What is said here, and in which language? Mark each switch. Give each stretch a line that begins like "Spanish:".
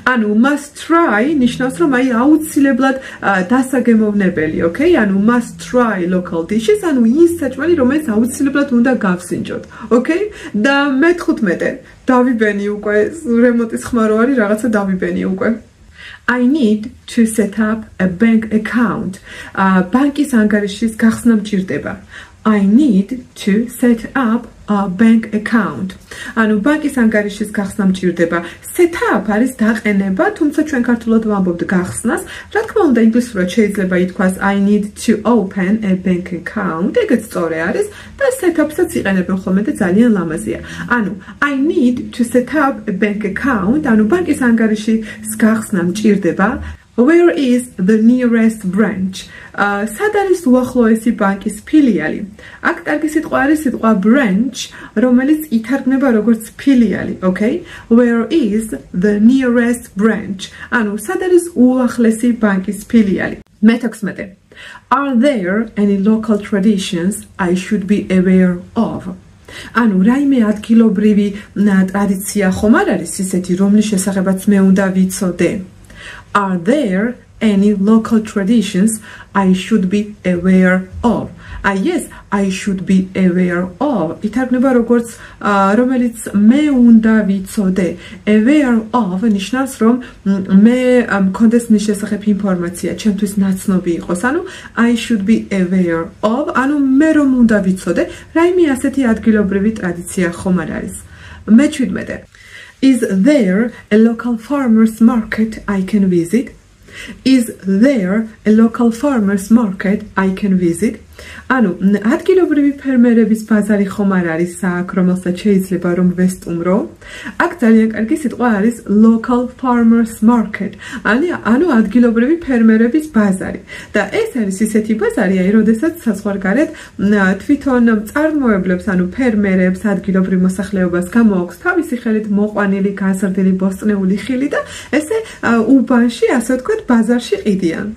Georgian: ანუ must try ნიშნავს რომ აი აუცილებლად დასაგემოვნებელი, okay? ანუ must try local dishes, ანუ ის საჭმელი, რომელიც აუცილებლად უნდა გავსინჯოთ. Okay, და მე-15. დავიბენი უკვე, რემონტის ხმარო არის, რაღაცა დავიბენი უკვე.
English: I need to set up a bank account.
Georgian: ბანკის ანგარიშის გახსნა მჭირდება.
English: I need to set up a bank account.
Georgian: ანუ ბანკის ანგარიშის გახსნა მჭირდება. Set up არის დაყენება, თუმცა ჩვენ ქართულად ვამბობთ გახსნას. რა თქმა უნდა, ინგლისურად შეიძლება ითქვას
English: I need to open a bank account.
Georgian: ეგეც სწორი არის და set up-საც იყენებენ ხოლმე და ძალიან ლამაზია. ანუ
English: I need to set up a bank account.
Georgian: ანუ ბანკის ანგარიშის გახსნა მჭირდება.
English: Where is the nearest branch?
Georgian: Sad არის უახლოესი ბანკის ფილიალი. აქ კარგი სიტყვა არის სიტყვა branch, რომელიც ითარგმნება როგორც ფილიალი, okay?
English: Where is the nearest branch?
Georgian: ანუ სად არის უახლესი ბანკის ფილიალი? მე-16.
English: Are there any local traditions I should be aware of?
Georgian: ანუ რაიმე ადგილობრივი ტრადიცია ხომ არ არის ისეთი, რომლის შესახებაც მე უნდა ვიცოდე?
English: Are there any local traditions I should be aware of? Ah yes, I should be aware of.
Georgian: ითარგმნება როგორც რომელიც მე უნდა ვიცოდე. Aware of ნიშნავს რომ მე მქონდეს მის შესახებ ინფორმაცია, ჩემთვის ნაცნობი იყოს. ანუ
English: I should be aware of,
Georgian: ანუ მე რომ უნდა ვიცოდე, რაიმე ასეთი ადგილობრივი ტრადიცია ხომ არ არის. მე-17.
English: Is there a local farmers market I can visit? Is there a local farmers market I can visit?
Georgian: Ანუ ადგილობრივი ფერმერების ბაზარი ხომ არ არის აქ, რომელსაც შეიძლება რომ ვესტუმრო? აქ ძალიან კარგი სიტყვა არის local farmers market. ანუ ადგილობრივი ფერმერების ბაზარი. და ეს არის ისეთი ბაზარი, აი, როდესაც საზღვარგარეთ თვითონ წარმოებლებს, ანუ ფერმერებს, ადგილობრივ მოსახლეობას გამოაქვს თავისი ხელით მოყვანილი გაზრდილი ბოსტნეული ხილი და ესე უბანში, ასე ვთქვათ, ბაზარში ყიდიან.